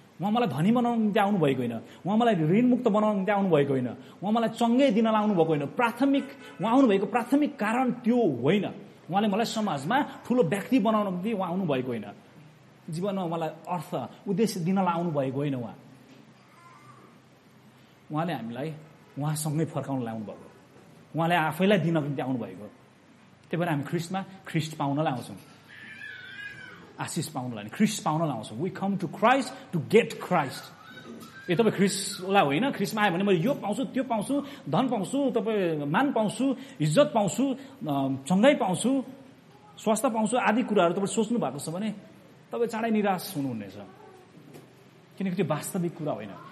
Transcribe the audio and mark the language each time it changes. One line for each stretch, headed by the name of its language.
Nepali: उहाँ मलाई धनी बनाउनु निम्ति आउनु भएको होइन, उहाँ मलाई ऋणमुक्त बनाउनु निम्ति आउनु भएको होइन, उहाँ मलाई चङ्गै दिन लाउनु भएको होइन, प्राथमिक उहाँ आउनुभएको प्राथमिक कारण त्यो होइन, उहाँले मलाई समाजमा ठुलो व्यक्ति बनाउनु निम्ति उहाँ आउनुभएको होइन, जीवनमा मलाई अर्थ उद्देश्य दिन लाउनु भएको होइन, उहाँले हामीलाई उहाँसँगै फर्काउन लाउनु भएको, उहाँले आफैलाई दिनको निम्ति आउनुभएको, त्यही भएर हामी ख्रिस्टमा ख्रिस्ट पाउनलाई आउँछौँ, आशिष पाउनलाई नि ख्रिस्ट पाउनलाई आउँछौँ।
English: We come to Christ to get Christ.
Nepali: ए तपाईँ ख्रिस्टलाई होइन, ख्रिस्टमा आयो भने मैले यो पाउँछु, त्यो पाउँछु, धन पाउँछु, तपाईँ मान पाउँछु, इज्जत पाउँछु, चङ्गाइ पाउँछु, स्वास्थ्य पाउँछु आदि कुराहरू तपाईँ सोच्नु भएको छ भने तपाईँ चाँडै निराश हुनुहुनेछ, किनकि त्यो वास्तविक कुरा होइन।